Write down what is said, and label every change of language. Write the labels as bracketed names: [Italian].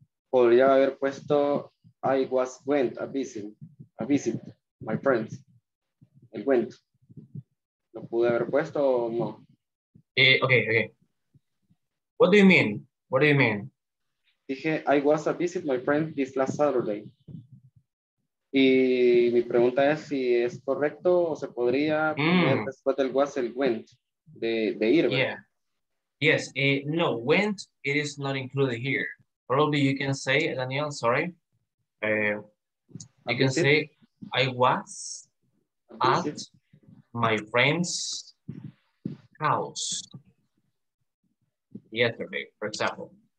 [Spanish] Podría haber puesto [English] I was went a visit, my friends. I went. [Spanish] ¿Lo pude haber puesto o no? [English] Okay. What do you mean? [Spanish] Dije [English] I was a visit my friend this last Saturday. [Spanish] Y mi pregunta es si es correcto o se podría después del was el went, de ir. [English] Yeah. Yes, no, went, it is not included here. Probably you can say, Daniel, sorry. You can say, I was at my friend's house yesterday, for example.